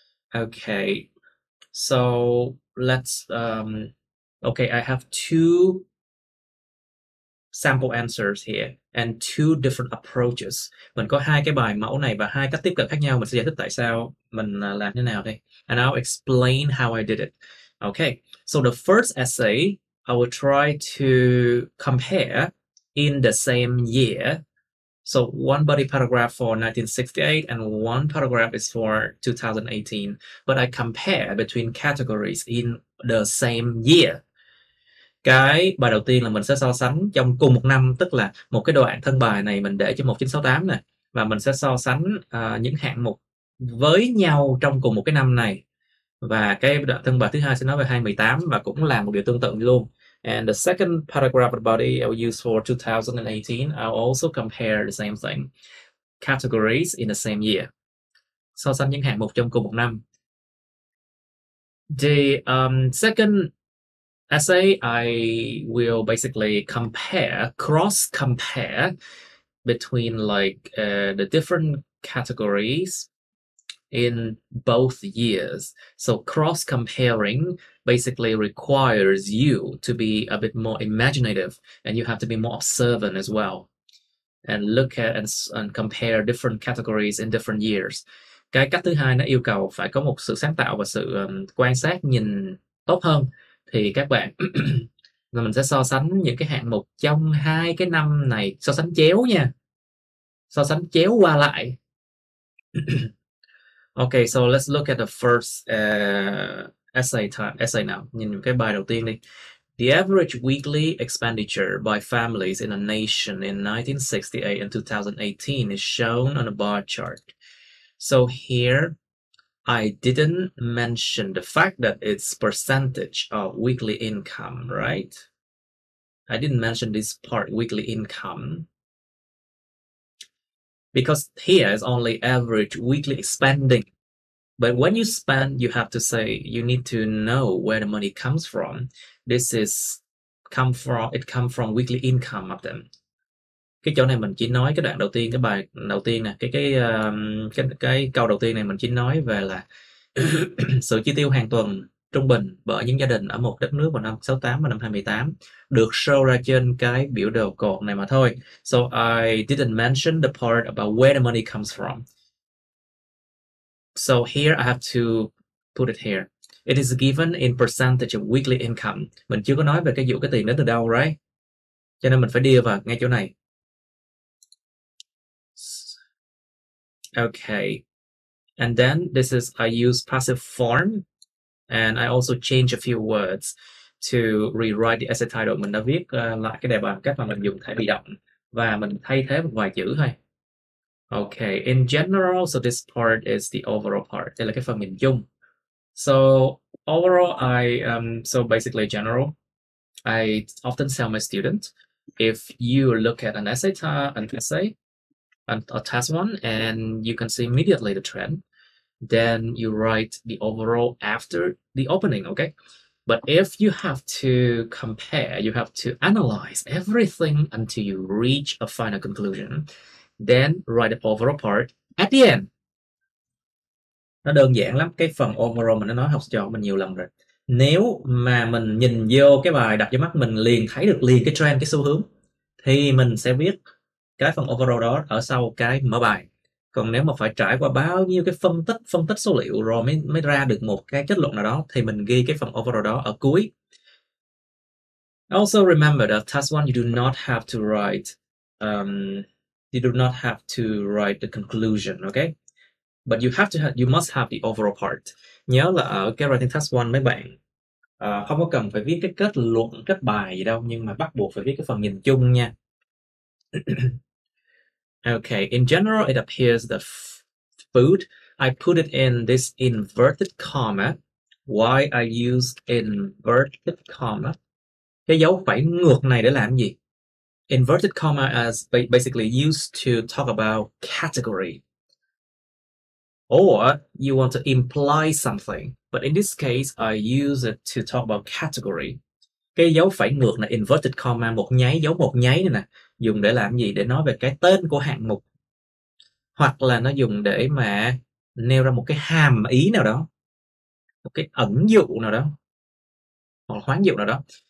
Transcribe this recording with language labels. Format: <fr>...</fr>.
<en>Okay, so let's, okay, I have two sample answers here and two different approaches.</en> <vi>Mình có hai cái bài mẫu này và hai cách tiếp cận khác nhau. Mình sẽ giải thích tại sao mình làm thế nào đây. And I'll explain how I did it.</vi> <en>Okay, so the first essay, I will try to compare in the same year. So one body paragraph for 1968 and one paragraph is for 2018. But I compare between categories in the same year.</en> <vi>Cái bài đầu tiên là mình sẽ so sánh trong cùng một năm, tức là một cái đoạn thân bài này mình để cho 1968 này, và mình sẽ so sánh những hạng mục với nhau trong cùng một cái năm này, và cái đoạn thân bài thứ hai sẽ nói về 2018 và cũng làm một điều tương tự luôn.</vi> <en>And the second paragraph of the body I will use for 2018, I'll also compare the same thing, categories in the same year,</en> <vi>so sánh những hạng mục trong cùng một năm.</vi> <en>The second essay, I will basically compare, cross-compare between like the different categories in both years. So cross comparing basically requires you to be a bit more imaginative, and you have to be more observant as well, and look at and compare different categories in different years.</en> <vi>Cái cách thứ hai nó yêu cầu phải có một sự sáng tạo và sự quan sát nhìn tốt hơn. Thì các bạn mình sẽ so sánh những cái hạng mục trong hai cái năm này, so sánh chéo nha, so sánh chéo qua lại.</vi> <en>Okay, so let's look at the first essay time essay nào.</en> <vi>Nhìn cái bài đầu tiên đi.</vi> <en>The average weekly expenditure by families in a nation in 1968 and 2018 is shown on a bar chart. So here, I didn't mention the fact that it's percentage of weekly income, right? I didn't mention this part, weekly income. Because here is only average weekly spending. But when you spend, you have to say you need to know where the money comes from. This is come from it come from weekly income of them.</en> <vi>Cái chỗ này mình chỉ nói cái đoạn đầu tiên, cái bài đầu tiên nè, cái câu đầu tiên này mình chỉ nói về là sự chi tiêu hàng tuần trung bình bởi những gia đình ở một đất nước vào năm 68 và năm 2018 được show ra trên cái biểu đồ cột này mà thôi.</vi> <en>So I didn't mention the part about where the money comes from. So here I have to put it here. It is given in percentage of weekly income.</en> <vi>Mình chưa có nói về cái dụ cái tiền đó từ đâu,</vi> <en>right?</en> <vi>Cho nên mình phải đưa vào ngay chỗ này.</vi> <en>Okay. And then this is I use passive form and I also change a few words to rewrite the essay title.</en> <vi>Mình đã viết lại cái đề bài cách mà mình dùng thể bị động và mình thay thế một vài chữ thôi.</vi> <en>Okay, in general, so this part is the overall part.</en> <vi>Đây là cái phần nhìn chung.</vi> <en>So overall, so basically general, I often tell my student, if you look at a test one, and you can see immediately the trend, then you write the overall after the opening, okay? But if you have to compare, you have to analyze everything until you reach a final conclusion, then write the overall part at the end.</en> <vi>Nó đơn giản lắm, cái phần overall mình đã nói học trò mình nhiều lần rồi. Nếu mà mình nhìn vô cái bài đập vô mắt mình liền thấy được liền cái trend, cái xu hướng, thì mình sẽ viết cái phần overall đó ở sau cái mở bài. Còn nếu mà phải trải qua bao nhiêu cái phân tích số liệu rồi mới ra được một cái kết luận nào đó, thì mình ghi cái phần overall đó ở cuối.</vi> <en>Also remember that task one, you do not have to write the conclusion, okay? But you must have the overall part.</en> <vi>Nhớ là ở cái writing task one mấy bạn không có cần phải viết cái kết luận, kết bài gì đâu, nhưng mà bắt buộc phải viết cái phần nhìn chung nha.</vi> <en>Okay, in general, it appears the food. I put it in this inverted comma. Why I use inverted comma?</en> <vi>Cái dấu phẩy ngược này để làm gì?</vi> <en>Inverted comma is basically used to talk about category. Or you want to imply something. But in this case, I use it to talk about category.</en> <vi>Cái dấu phẩy ngược là inverted comma, một nháy, dấu một nháy này nè. Dùng để làm gì? Để nói về cái tên của hạng mục. Hoặc là nó dùng để mà nêu ra một cái hàm ý nào đó. Một cái ẩn dụ nào đó. Hoặc hoán dụ nào đó.</vi>